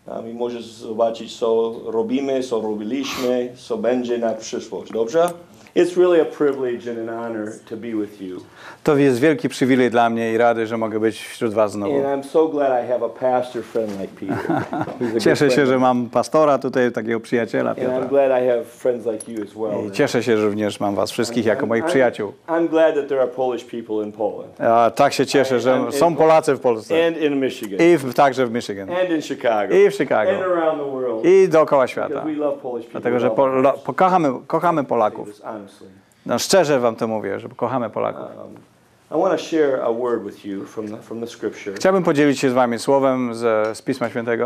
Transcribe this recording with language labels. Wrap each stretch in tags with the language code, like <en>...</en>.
<pl>I możesz zobaczyć, co robimy, co robiliśmy, co będzie na przyszłość. Dobrze?</pl> <en>It's really a privilege and an honor to be with you.</en> <pl>To jest wielki przywilej dla mnie i rady, że mogę być wśród was znowu.</pl> <en>And I'm so glad I have a pastor friend like Peter.</en> <pl>Cieszę się, że mam pastora tutaj, takiego przyjaciela Piotra.</pl> <en>And I'm glad I have friends like you as well.</en> <pl>I cieszę się, że również mam was wszystkich jako moich przyjaciół.</pl> <en>I'm glad that there are Polish people in Poland.</en> <pl>A tak się cieszę, że są Polacy w Polsce.</pl> <en>And in Michigan.</en> <pl>I także w Michigan.</pl> <en>And in Chicago.</en> <pl>I w Chicago.</pl> <en>And around the world.</en> <pl>I dookoła świata.</pl> <en>Because we love Polish people.</en> <pl>Dlatego, że kochamy Polaków. No szczerze wam to mówię, że kochamy Polaków.</pl> <en>I want to share a word with you from the scripture.</en> <pl>Chciałbym podzielić się z wami słowem z Pisma Świętego.</pl>